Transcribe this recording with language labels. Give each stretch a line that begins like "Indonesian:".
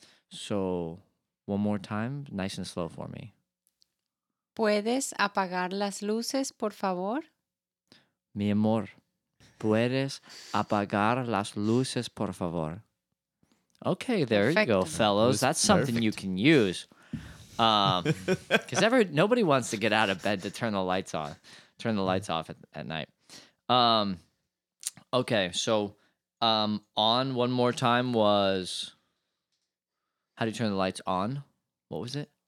English: So, one more time, nice and slow for me.
Spanish: ¿Puedes apagar las luces, por favor? Mi amor, ¿puedes apagar las luces, por favor?
English: Okay, there Perfect. You go, fellows. That's something perfect. You can use. Because nobody wants to get out of bed to turn the lights on, turn the lights off at night. Okay, so on one more time was, how do you turn the lights on? What was it?